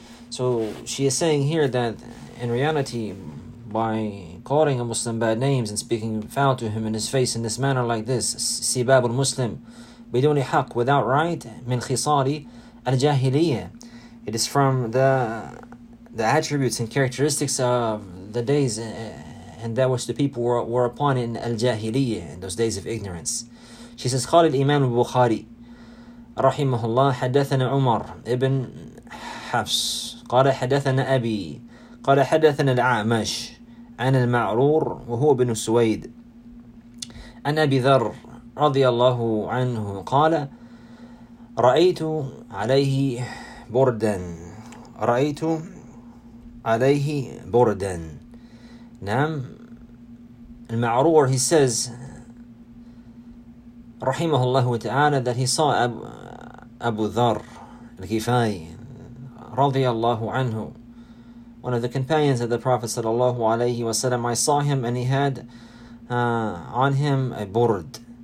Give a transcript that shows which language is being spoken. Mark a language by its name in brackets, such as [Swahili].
[English] So she is saying here that in reality, by calling a Muslim bad names and speaking foul to him in his face in this manner like this, [Arabic] sibab al-muslim biduni haq, [English] without right, [Arabic] min khisari al-jahiliyyah, [English] it is from the attributes and characteristics of the days and that which the people were upon in al-jahiliyyah, in those days of ignorance. She says, [Arabic] قال الإمام البخاري رحمه الله حدثنا عمر ابن حفص قال حدثنا أبي قال حدثنا الأعمش عن المعرور وهو بن سويد عن أبي ذر رضي الله عنه قال رأيت عليه بردا رأيت عليه بردا. نعم المعرور, [English] he says [Arabic] رحمه الله تعالى, [English] that he saw Abu Dharr al-Ghifari [Arabic] رضي الله عنه, [English] one of the companions of the Prophet sallallahu alaihi wasallam, I saw him and he had on him a burd.